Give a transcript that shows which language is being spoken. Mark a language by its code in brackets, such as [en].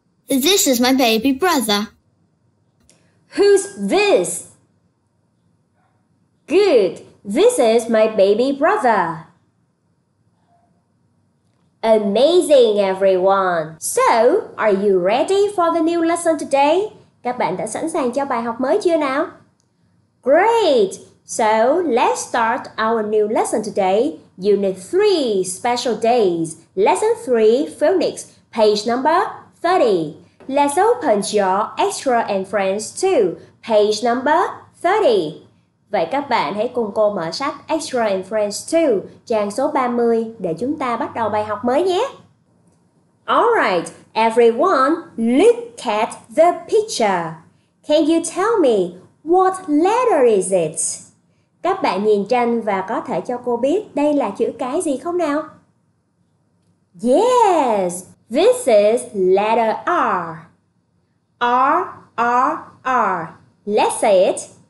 [en] This is my baby brother. Who's this? Good! This is my baby brother. Amazing, everyone! So, are you ready for the new lesson today? [vi] Các bạn đã sẵn sàng cho bài học mới chưa nào? [en] Great! So, let's start our new lesson today. Unit 3, Special Days. Lesson 3, Phonics. Page number 30. Let's open your Extra and Friends 2. Page number 30. [vi] Vậy các bạn hãy cùng cô mở sách Extra and Friends 2, trang số 30 để chúng ta bắt đầu bài học mới nhé! [en] Alright, everyone, look at the picture. Can you tell me what letter is it? [vi] Các bạn nhìn tranh và có thể cho cô biết đây là chữ cái gì không nào? [en] Yes, this is letter R. R, R, R. Let's say it.